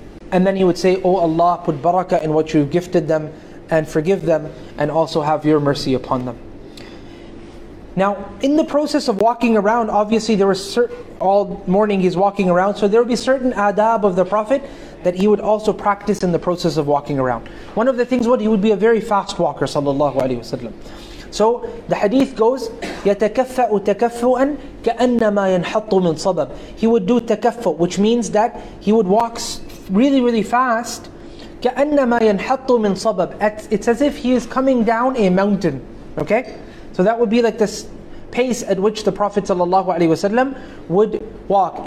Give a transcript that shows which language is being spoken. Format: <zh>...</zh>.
<en>And then he would say, oh Allah, put barakah in what you've gifted them and forgive them and also have your mercy upon them. Now, in the process of walking around, obviously there was all morning he's walking around, so there would be certain adab of the Prophet that he would also practice in the process of walking around. One of the things would, he would be a very fast walker, sallallahu alayhi wasallam. So the hadith goes,</en> <ar>يَتَكَفَّأُ تَكَفُّؤًا كَأَنَّمَا يَنْحَطُّ مِنْ صَبَبٍ.</ar> <en>He would do takaffu, which means that he would walk really, really fast.</en> <ar>كَأَنَّمَا يَنْحَطُّ مِنْ صَبَبٍ.</ar> <en>It's as if he is coming down a mountain. Okay? So that would be like the pace at which the Prophet ﷺ would walk.</en>